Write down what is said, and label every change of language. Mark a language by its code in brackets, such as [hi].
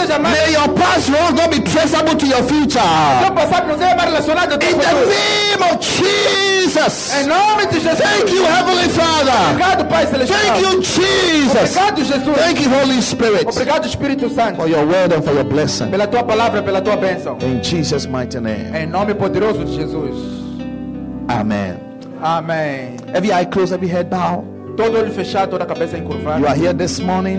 [en] May your past wrongs not be traceable to your future. In the name of Jesus, thank you, Heavenly Father. Thank you, Jesus. Thank you, Holy Spirit. [pt] Obrigado, Espírito Santo, [en] for your word and for your blessing. [pt] Pela tua palavra, pela tua bênção. [en] In Jesus' mighty name. [pt] Em nome poderoso de Jesus. [en] Amen. [pt] Amen. [en] Every eye closed, every head bowed. [pt] Todo olho fechado, toda cabeça encurvada. [en] You are here this morning.